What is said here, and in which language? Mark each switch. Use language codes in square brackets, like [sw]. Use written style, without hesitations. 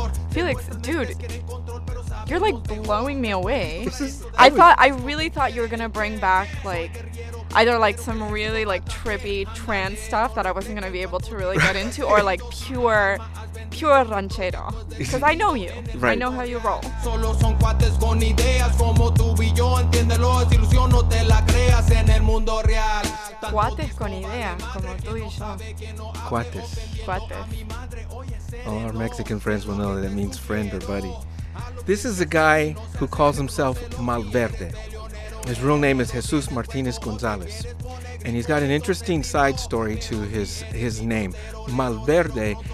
[en] Felix, dude, you're like blowing me away. I really thought you were gonna bring back like either like some really like trippy trance stuff that I wasn't gonna be able to really get into, or like pure ranchero, because I know you. Right. I know how you roll. [es] Solo son cuates con ideas como tú y yo, entiéndelo, es ilusión, no te la creas en el mundo real. Cuates con ideas como tú y yo. Cuates. [en] All our Mexican friends will know that it means friend or buddy. This is a guy who calls himself Malverde. His real name is Jesus Martinez Gonzalez. And he's got an interesting side story to his name. Malverde